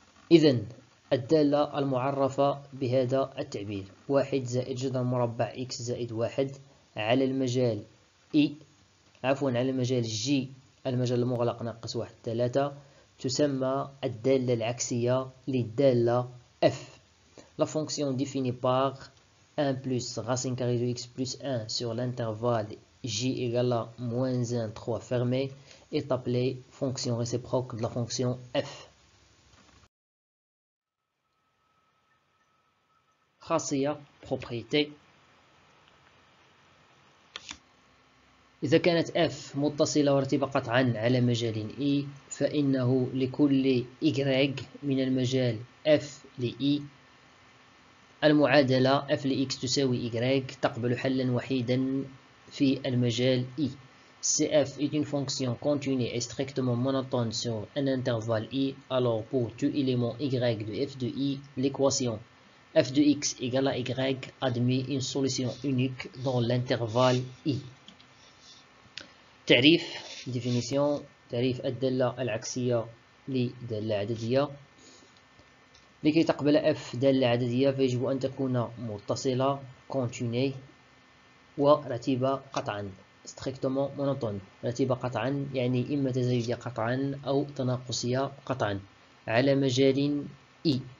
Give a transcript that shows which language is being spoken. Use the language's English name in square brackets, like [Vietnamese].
[Arabic] إذن الدالة المعرفة بهذا التعبير 1 زائد جذر مربع x زائد 1 على المجال E، عفوا على المجال جي، المجال المغلق ناقص 1 3، تسمى الدالة العكسية للدالة F. [French] La fonction définie par 1 plus racine carrée de x plus 1 sur l'intervalle j égale à moins 1, 3 fermé est appelée fonction réciproque de la fonction f. [Arabic] خاصية propriété. إذا كانت f متصلة وارتبطت عن على مجال E فإنه لكل y من المجال f لE المعادلة f لx تساوي y تقبل حلا وحيدا في المجال E. [French] cf est une fonction continue et strictement monotone sur un intervalle E. alors pour tous éléments y de f de E, l'équation f de x égale à y admet une solution unique dans l'intervalle E. [Arabic] تعريف definition تعريف الدالة العكسية للدالة العددية. لكي تقبل f دالة عددية فيجب أن تكون متصلة continue ورتيبة قطعا strictement monotone، رتيبة قطعا يعني إما تزايدية قطعا أو تناقصية قطعا على مجال E.